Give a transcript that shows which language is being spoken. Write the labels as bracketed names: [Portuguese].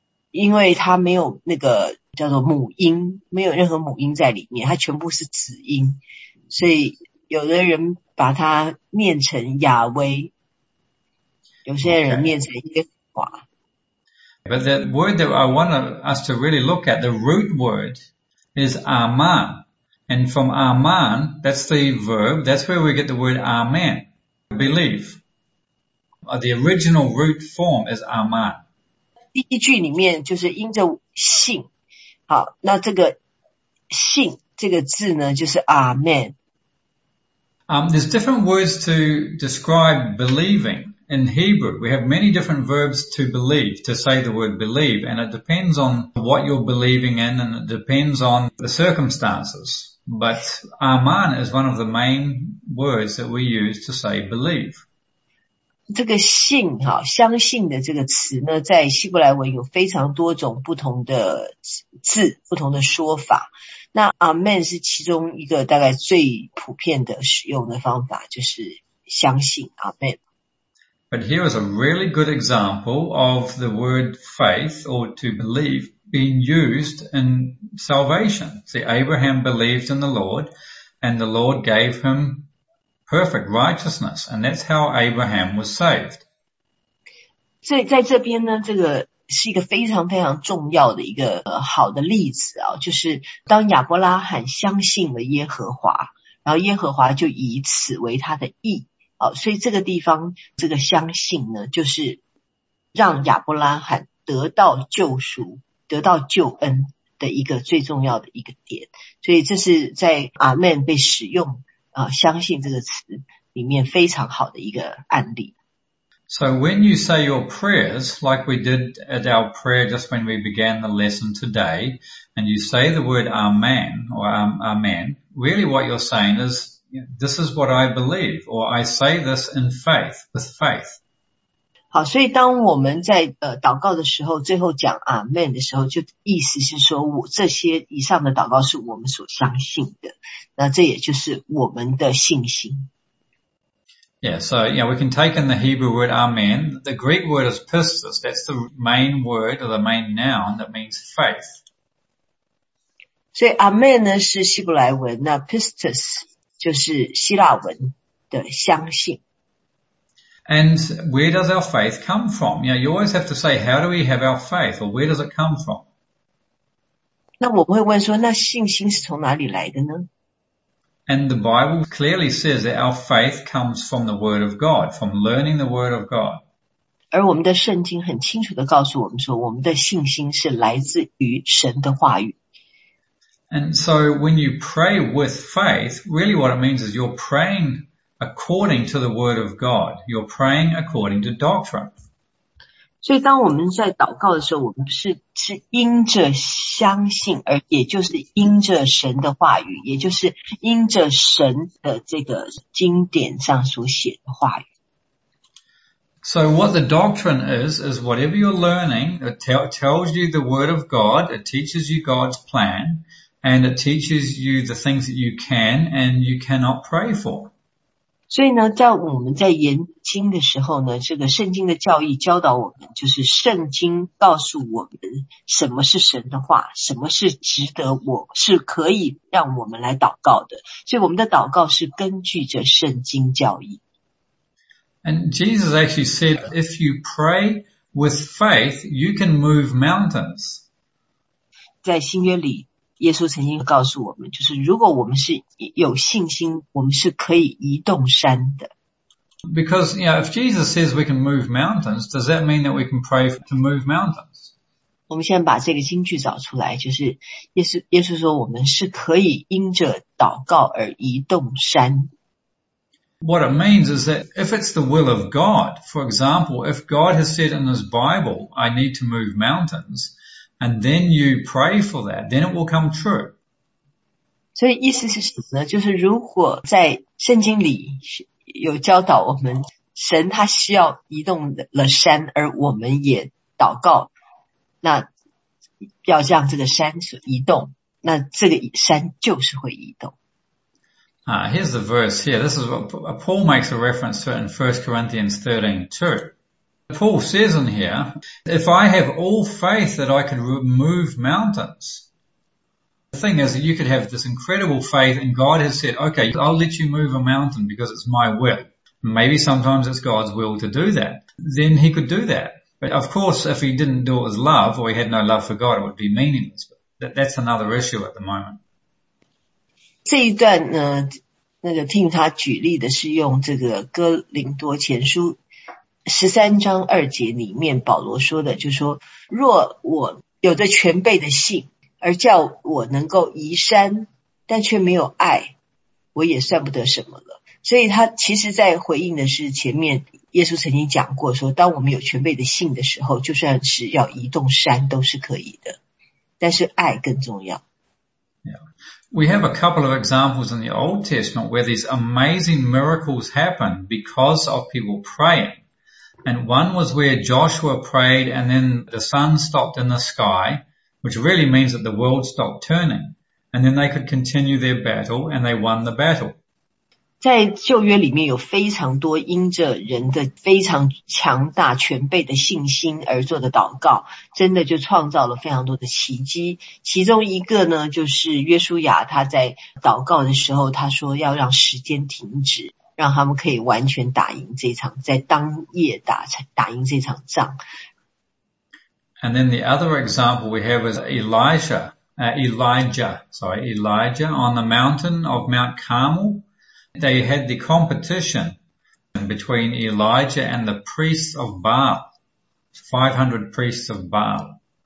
[Chinese] 因为它没有那个叫做母音，没有任何母音在里面，它全部是子音，所以有的人把它念成亚威，有些人念成耶和华。 [English] Okay. But the word that I want us to really look at, the root word is Aman. And from Aman, that's the verb, that's where we get the word Amen, believe. The original root form is Aman. [Chinese] 第一句里面就是因着信，好，那这个信这个字呢，就是 Amen。 [English] There's different words to describe believing in Hebrew. We have many different verbs to believe, to say the word believe, and it depends on what you're believing in, and it depends on the circumstances. But Aman is one of the main words that we use to say believe. [Chinese] 这个信哈，相信的这个词呢，在希伯来文有非常多种不同的字、不同的说法。那 Amen 是其中一个大概最普遍的使用的方法，就是相信 Amen。 [English] But here is a really good example of the word faith or to believe being used in salvation. See, Abraham believed in the Lord, and the Lord gave him. Perfect righteousness, and that's how Abraham was saved. [Chinese] 所以在这边呢，这个是一个非常非常重要的一个好的例子啊，就是当亚伯拉罕相信了耶和华，然后耶和华就以此为他的义啊，所以这个地方这个相信呢，就是让亚伯拉罕得到救赎、得到救恩的一个最重要的一个点。所以这是在阿门被使用。相信这个词里面非常好的一个案例。 [English] So when you say your prayers, like we did at our prayer just when we began the lesson today, and you say the word Amen or Amen, really what you're saying is, this is what I believe, or I say this in faith, with faith. [Chinese] 好，所以当我们在祷告的时候，最后讲 Amen 的时候，就意思是说我这些以上的祷告是我们所相信的，那这也就是我们的信心。 [English] Yeah, so you know, we can take in the Hebrew word Amen. The Greek word is pistis. That's the main word or the main noun that means faith. So [Chinese] Amen 呢是希伯来文，那 pistis 就是希腊文的相信。 [English] And where does our faith come from? You know, you always have to say, how do we have our faith, or where does it come from? [Chinese] 那我会问说，那信心是从哪里来的呢？ [English] And the Bible clearly says that our faith comes from the Word of God, from learning the Word of God. [Chinese] 而我们的圣经很清楚地告诉我们说，我们的信心是来自于神的话语。 [English] And so when you pray with faith, really what it means is you're praying according to the Word of God. You're praying according to doctrine. [Chinese] 所以当我们在祷告的时候，我们是因着相信，而也就是因着神的话语，也就是因着神的这个经典上所写的话语。 [English] So what the doctrine is whatever you're learning, it tells you the word of God, it teaches you God's plan, and it teaches you the things that you can and you cannot pray for. [Chinese] 所以呢，在我们在研经的时候呢，这个圣经的教义教导我们，就是圣经告诉我们什么是神的话，什么是值得我是可以让我们来祷告的。所以我们的祷告是根据着圣经教义。 [English] And Jesus actually said, if you pray with faith, you can move mountains. [Chinese] 在新约里。耶稣曾经告诉我们，就是如果我们是有信心，我们是可以移动山的。 [English] Because, you know, if Jesus says we can move mountains, does that mean that we can pray to move mountains? [Chinese] 我们先把这个金句找出来，就是耶稣说我们是可以因着祷告而移动山。 [English] What it means is that if it's the will of God, for example, if God has said in his Bible, I need to move mountains,And then you pray for that, then it will come true. [Chinese] 所以意思是什么呢？就是如果在圣经里有教导我们，神他需要移动了山，而我们也祷告，那要让这个山移动，那这个山就是会移动。 [English] Here's the verse here. This is what Paul makes a reference to in 1 Corinthians 13:2. Paul says in here, if I have all faith that I can remove mountains, the thing is that you could have this incredible faith and God has said, okay, I'll let you move a mountain because it's my will. Maybe sometimes it's God's will to do that. Then he could do that. But of course, if he didn't do it with love or he had no love for God, it would be meaningless. But that's another issue at the moment. [Chinese] 这一段呢，那个听他举例的是用这个哥林多前书13章2节里面保罗说的，就是说若我有着全备的信而叫我能够移山，但却没有爱，我也算不得什么了。所以他其实在回应的是前面耶稣曾经讲过说，当我们有全备的信的时候，就算是要移动山都是可以的，但是爱更重要。 [English] We have a couple of examples in the Old Testament where these amazing miracles happen because of people praying. And one was where Joshua prayed and then the sun stopped in the sky, which really means that the world stopped turning. And then they could continue their battle and they won the battle. [Chinese] 在旧约里面有非常多因着人的非常强大全备的信心而做的祷告，真的就创造了非常多的奇迹。其中一个呢，就是约书亚他在祷告的时候，他说要让时间停止。让他们可以完全打赢这场，在当夜打赢这场仗。 [English] And then the other example we have is Elijah on the mountain of Mount Carmel. They had the competition between Elijah and the priests of Baal, 500 priests of Baal.